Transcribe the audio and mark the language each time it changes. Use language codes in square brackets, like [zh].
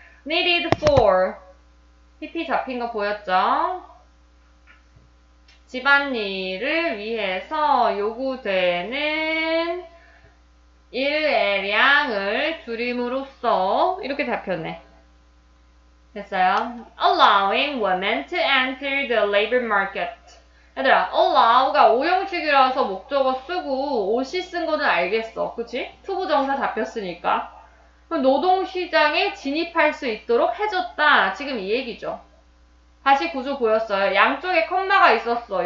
[en] Needed for PP [ko] 잡힌 거 보였죠? 집안일을 위해서 요구되는 일의 양을 줄임으로써 이렇게 잡혔네. 됐어요. [en] Allowing women to enter the labor market. [ko] 얘들아, allow가 오형식이라서 목적어 쓰고 OC 쓴 거는 알겠어. 그치? 투부정사 잡혔으니까. 그럼 노동시장에 진입할 수 있도록 해줬다. 지금 이 얘기죠. 다시 구조 보였어요. 양쪽에 콤마가 있었어.